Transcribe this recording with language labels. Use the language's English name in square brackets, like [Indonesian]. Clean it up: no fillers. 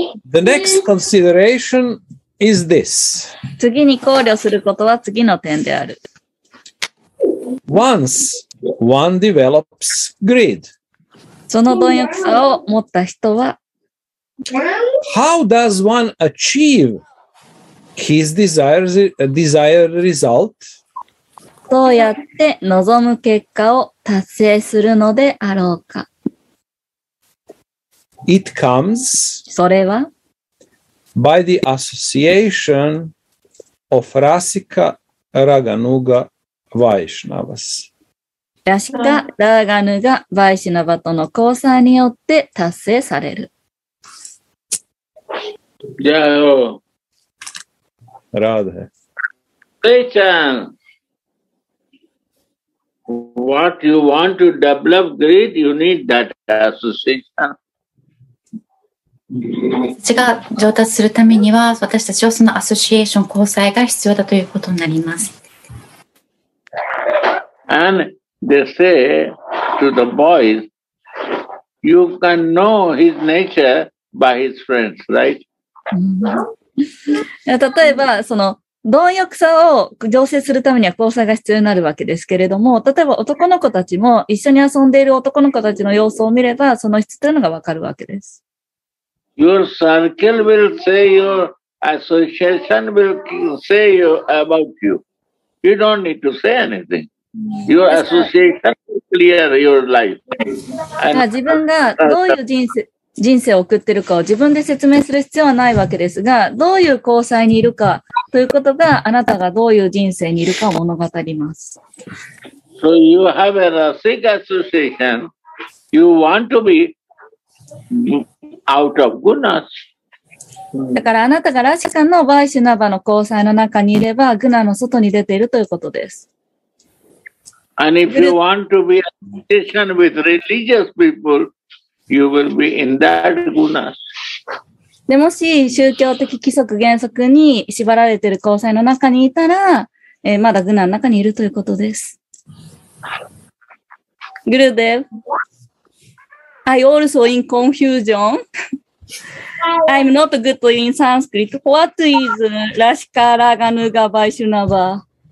[English] The next consideration. Is this. [Japanese] 次に考慮することは次の点である。 [English] Once one develops greed. [Japanese] その貪欲さを持った人は [English] How does one achieve his desired result? [Japanese] どうやって望む結果を達成するのであろうか? [English] It comes [Japanese] それは [English] by the association of Rasika, Raganuga, Vaishnavas. [Japanese] ラシカ・ラーガヌがヴァイシナバとの交際によって達成される。じゃあよ。ラーデ。ペイちゃん。 [English] What you want to develop great, you need that association. [Japanese] 私が上達するためには、私たちはそのアソシエーション、交際が必要だということになります。 [English] And They say to the boys, you can know his nature by his friends, right? [Japanese] 例えば、その、貪欲さを醸成するためには交際が必要になるわけですけれども、例えば男の子たちも一緒に遊んでいる男の子たちの様子を見れば、その質というのがわかるわけです。 [English] Your circle will say your association will say you about you. You don't need to say anything. Your association will clear your life. [Japanese] 自分がどういう人生を送っているかを自分で説明する必要はないわけですが、どういう交際にいるかということがあなたがどういう人生にいるかを物語ります。 [English] So you have a Rasika association. You want to be out of gunas. [Japanese] だからあなたがラシカのヴァイシュナバの交際の中にいれば、グナの外に出ているということです。 [English] And if you want to be associated with religious people, you will be in that gunas. [Japanese] でもし宗教的規則原則に縛られている交際の中にいたら、まだグナの中にいるということです。 [English] グルデヴ、I also in confusion. I'm not good in Sanskrit. What is Rasika Raganuga Vaishnava?